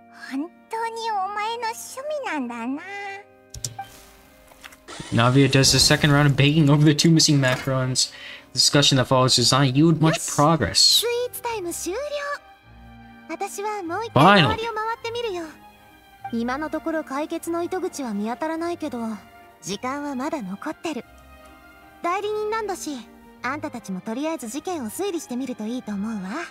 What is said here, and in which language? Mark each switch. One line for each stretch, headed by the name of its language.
Japanese: 本当にお前の趣味なんだな。
English: Navia does the second round of baking over the two missing macarons. The discussion that follows is not yield much progress.
Japanese: スイーツタイム終了。私はもう一回周りを回ってみるよ。今のところ解決の糸口は見当たらないけど、時間はまだ残ってる。代理人なんだし、あんたたちもとりあえず事件を推理してみるといいと思うわ。